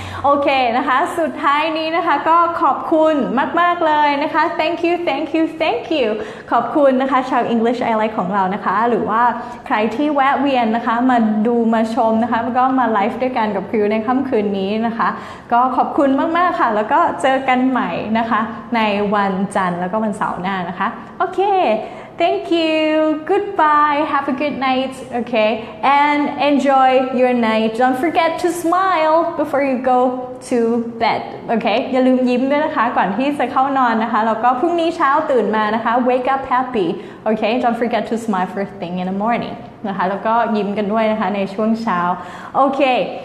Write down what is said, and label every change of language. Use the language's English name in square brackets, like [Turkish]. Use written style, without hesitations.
[Thai] โอเคนะคะสุดท้ายนี้นะคะก็ขอบคุณมากๆเลยนะคะ thank you ขอบคุณนะคะชาว English I Like ของเรานะคะหรือว่าใครที่แวะเวียนนะคะมาดูมาชมนะคะก็มาไลฟ์ด้วยกันกับคิวในค่ำคืนนี้นะคะก็ขอบคุณมากๆค่ะแล้วก็เจอกันใหม่นะคะในวันจันทร์แล้วก็วันเสาร์หน้านะคะโอเค [English] Thank you. Goodbye. Have a good night. Okay. And enjoy your night. Don't forget to smile before you go to bed. Okay. [Thai] อย่าลืมยิ้มด้วยนะคะก่อนที่จะเข้านอนนะคะแล้วก็พรุ่งนี้เช้าตื่นมานะคะ [English] wake up happy. Okay. Don't forget to smile first thing in the morning. [Thai] นะคะแล้วก็ยิ้มกันด้วยนะคะในช่วงเช้า Okay.